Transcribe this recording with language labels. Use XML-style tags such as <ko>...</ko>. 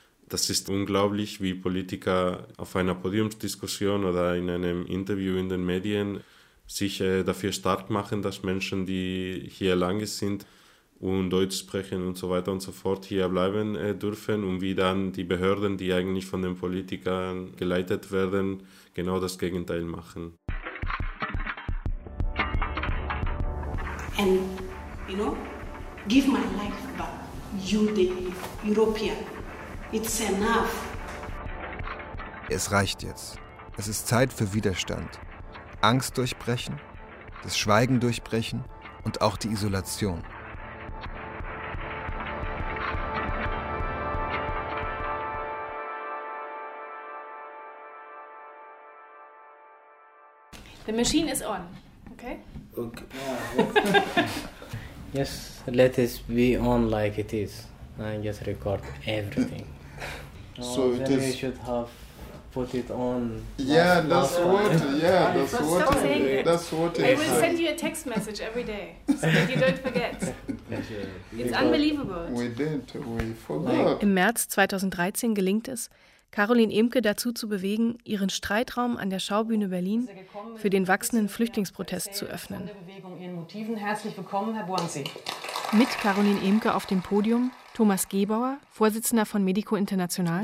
<de>Das ist unglaublich, wie Politiker auf einer Podiumsdiskussion oder in einem Interview in den Medien sich dafür stark machen, dass Menschen, die hier lange sind und Deutsch sprechen und so weiter und so fort, hier bleiben dürfen und wie dann die Behörden, die eigentlich von den Politikern geleitet werden, genau das Gegenteil machen.</de> <en>And, you know, give my life back, you the European. It's enough.</en> <de>Es reicht jetzt. Es ist Zeit für Widerstand. Angst durchbrechen, das Schweigen durchbrechen und auch die Isolation.</de> <en>The machine is on, okay? Okay. Yes, let it be on like it is. And just record everything. So oh, it is. We should have put it on. Yeah, that's what. Yeah, that's what. That's what. I will send you a text message every day so that you don't forget. It's unbelievable. We didn't. We forgot.</en> <de>Im März 2013 gelingt es, Caroline Emke dazu zu bewegen, ihren Streitraum an der Schaubühne Berlin für den wachsenden Flüchtlingsprotest zu öffnen. Herzlich willkommen, Herr Buonzi. Mit Caroline Emke auf dem Podium Thomas Gebauer, Vorsitzender von Medico International.</de>